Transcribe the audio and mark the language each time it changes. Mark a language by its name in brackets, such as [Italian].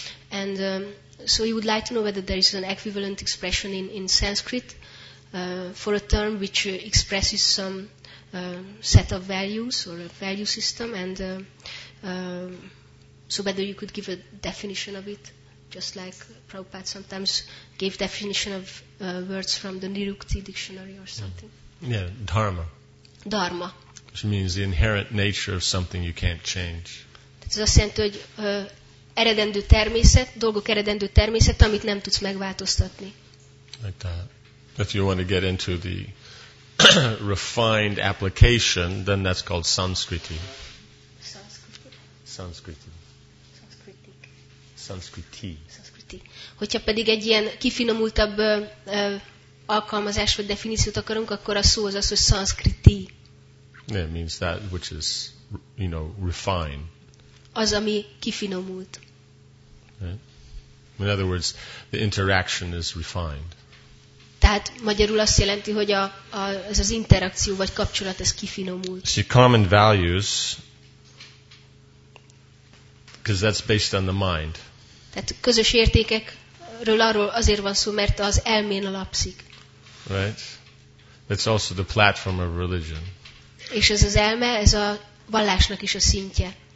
[English] And so you would like to know whether there is an equivalent expression in Sanskrit for a term which expresses some set of values or a value system, and so whether you could give a definition of it, just like Prabhupada sometimes gave definition of words from the Nirukti dictionary or something. Yeah, dharma. Dharma. Which means the inherent nature of something you can't change. [Hungarian] Ez azt jelenti, hogy eredendő természet, dolgok eredendő természet, amit nem tudsz megváltoztatni. [English] Like that. If you want to get into the refined application, then that's called Sanskriti. Sanskriti. Sanskriti. Sanskriti. Sanskriti. [Hungarian] Hogyha pedig egy ilyen kifinomultabb alkalmazás vagy definíciót akarunk, akkor a szó az, hogy Sanskriti. [English] Yeah, it means that which is, you know, refined. [Hungarian] Az, ami kifinomult. [English] Right. In other words, the interaction is refined. [Hungarian] Tehát magyarul azt jelenti, hogy ez az interakció vagy kapcsolat ez kifinomult. [English] See, common values, because that's based on the mind. [Hungarian] Tehát közös értékekről arról azért van szó, mert az elmén alapszik. [English] Right. That's also the platform of religion. [Hungarian] És ez az elme, ez a vallásnak is a szintje.